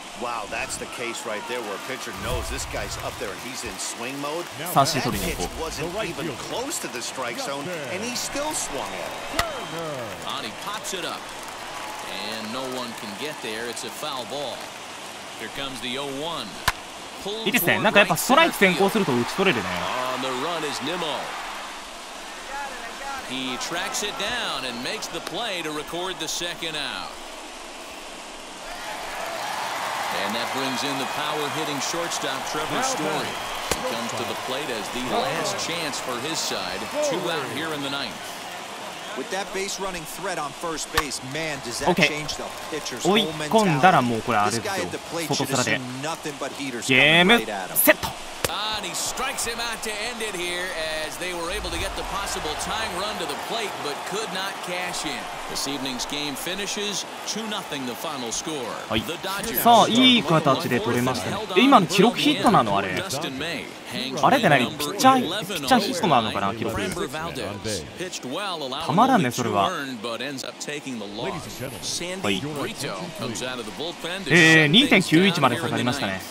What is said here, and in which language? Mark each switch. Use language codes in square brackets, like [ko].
[en] Wow, that's the case right there where a pitcher knows this guy's up there and he's in swing mode. That pitch wasn't even close to the strike zone and he still swung at it. Ani pops it up and no one can get there. It's a foul ball. Here comes the 0-1. [ja] いいですね。なんかやっぱストライク先行すると打ち取れるね。 [en] On the run is Nimmo. He tracks it down and makes the play to record the second out. And that brings in the power hitting shortstop Trevor Story. He comes to the plate as the last chance for his side. Two out here in the ninth. With that base running threat on first base, man, does that change the pitcher's whole mentality? [ja] 追い込んだらもうこれあれですよ。外空で。ゲームセット。 [en] And he strikes him out to end it here as they were able to get the possible tying run to the plate, but could not cash in. This evening's game finishes 2-0 the final score. [ja] はい。さあ、いい形で取れましたね。今の記録ヒットなの、あれ。あれで何、ピッチャーヒットなのかな、記録。たまらんね、それは。はい。 2.91 まで下がりましたね。